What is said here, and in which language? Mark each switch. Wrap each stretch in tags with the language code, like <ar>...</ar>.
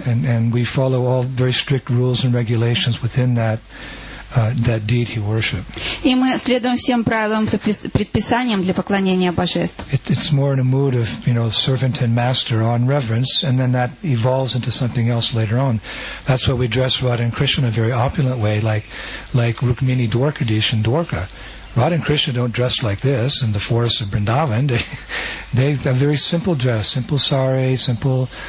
<en>And we follow all very strict rules and regulations within that deity worship.</en> <ru>И мы следуем всем правилам, предписаниям для поклонения божеств.</ru> <en>It's more in a mood of, you know, servant and master on reverence, and then that evolves into something else later on. That's why we dress Radha and Krishna in a very opulent way, like Rukmini Dwarkadish and Dwarka. Radha and Krishna don't dress like this in the forests of Vrindavan. They have a very simple dress, simple sari, simple.</en>